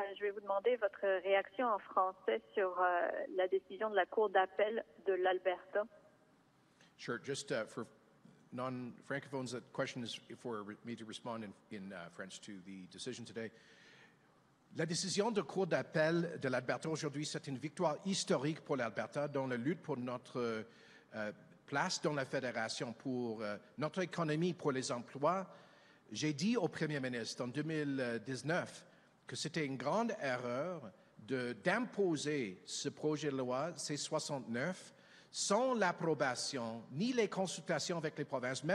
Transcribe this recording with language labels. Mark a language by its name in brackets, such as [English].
[French] Je vais vous demander votre réaction en français sur la décision de la Cour d'appel de l'Alberta. [English] Sure. Just for non-francophones, the question is for me to respond in French to the decision today. [French] La décision de Cour d'appel de l'Alberta aujourd'hui, c'est une victoire historique pour l'Alberta dans la lutte pour notre place dans la fédération pour notre économie, pour les emplois. J'ai dit au premier ministre en 2019 que c'était une grande erreur d'imposer ce projet de loi C-69 sans l'approbation ni les consultations avec les provinces.